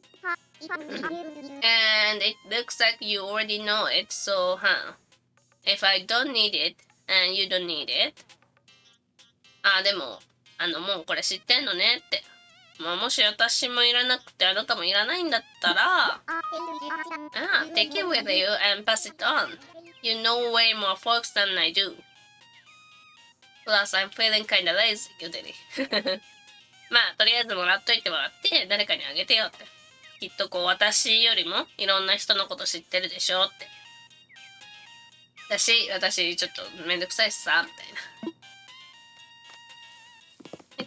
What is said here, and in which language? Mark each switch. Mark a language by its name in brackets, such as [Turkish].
[English] And it looks like you already know it, so huh? If I don't need it, and you don't need it. [Japanese] ああ、でも、あの、もうこれ知ってんのねって。まあ、もし私もいらなくて、あなたもいらないんだったら。 [English] ああ、take it with you and pass it on. You know way more folks than I do. Plus, I'm feeling kinda lazy, you daddy. [Japanese] まあ、とりあえずもらっといてもらって、誰かにあげてよって。きっとこう、私よりもいろんな人のこと知ってるでしょって。私ちょっとめんどくさいしさみたいな。